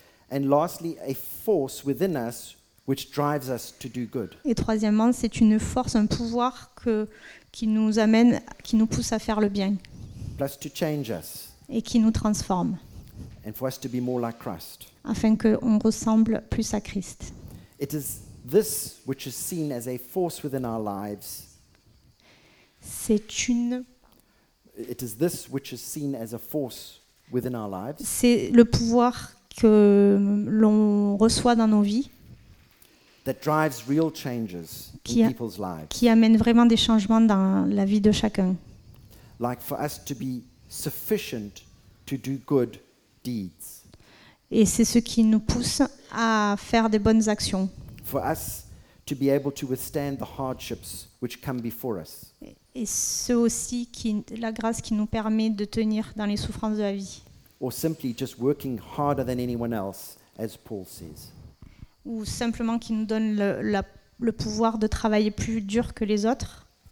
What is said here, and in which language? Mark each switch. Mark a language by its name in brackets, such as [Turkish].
[English] And lastly, a force within us which drives us to do good. [French] Et troisièmement, c'est une force, un pouvoir qui nous amène, qui nous pousse à faire le bien. [English] Plus to change us. [French] Et qui nous transforme. [English] And for us to be more like Christ. [French] Afin qu'on ressemble plus à Christ. [English] It is this which is seen as a force within our lives. It is this which is seen as a force within our lives. [French] C'est le pouvoir que l'on reçoit dans nos vies. [English] That drives real changes in people's lives. [French] Qui amène vraiment des changements dans la vie de chacun. [English] like for us to be sufficient to do good deeds. [French] Et c'est ce qui nous pousse à faire des bonnes actions. [English] For us to be able to withstand the hardships which come before us. [French] Et c'est aussi qui, la grâce qui nous permet de tenir dans les souffrances de la vie. [English] Or simply just working harder than anyone else, as Paul says. [French] Ou simplement qui nous donne le pouvoir de travailler plus dur que les autres.